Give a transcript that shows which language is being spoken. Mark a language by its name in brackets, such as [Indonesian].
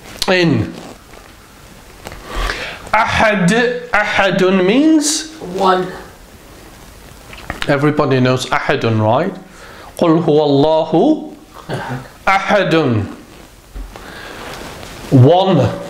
[Arabic] إن أحد أحد [English] means one. Everybody knows أحد, right? [Arabic] قل هو الله أحد. أحد. [English] One.